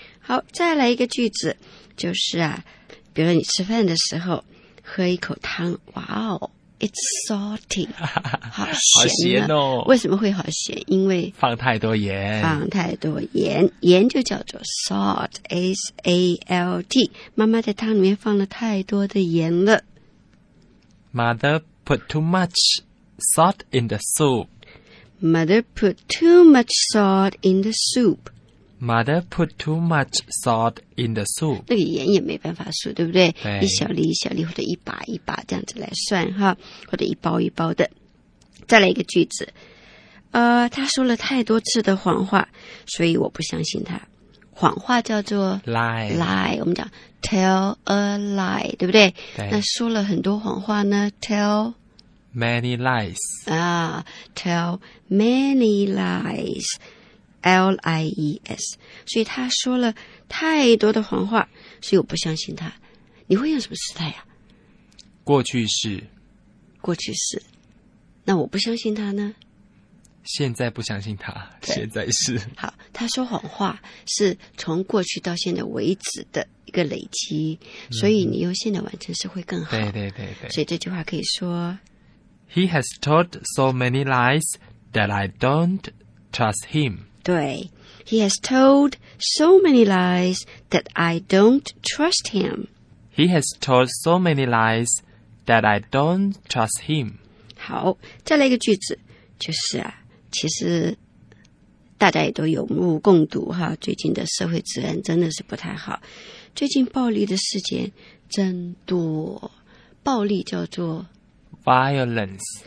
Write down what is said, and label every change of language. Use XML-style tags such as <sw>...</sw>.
<zh>好，再来一个句子，就是啊，比如说你吃饭的时候喝一口汤，哇哦</zh> <en>It's salty,</en> <zh>好咸哦。为什么会好咸？因为放太多盐。放太多盐，盐就叫做 salt, S-A-L-T。妈妈在汤里面放了太多的盐了。</zh> <en>Mother put too much salt in the soup. Mother put too much salt in the soup. Mother put too much salt in the soup.</en> <zh>那个盐也没办法数，对不对？对，一小粒一小粒，或者一把一把这样子来算哈，或者一包一包的。再来一个句子，他说了太多次的谎话，所以我不相信他。谎话叫做</zh> <en>lie，</en> <zh>lie， 我们讲</zh> <en>tell a lie，</en> <zh>对不对？对。那说了很多谎话呢 ？Tell</zh> <en>many lies 啊 ，tell many lies。</en> <zh>L-I-E-S， 所以他说了太多的谎话，所以我不相信他。你会用什么时态呀？过去式。过去式。那我不相信他呢？现在不相信他，现在是。好，他说谎话是从过去到现在为止的一个累积，所以你用现在完成式会更好。对对对对。所以这句话可以说</zh> <en>：He has told so many lies that I don't trust him。对 ，He has told so many lies that I don't trust him. He has told so many lies that I don't trust him.</en> <zh>好，再来一个句子，就是啊，其实大家也都有目共睹哈，最近的社会治安真的是不太好，最近暴力的事件真多，暴力叫做</zh> <en>violence，</en>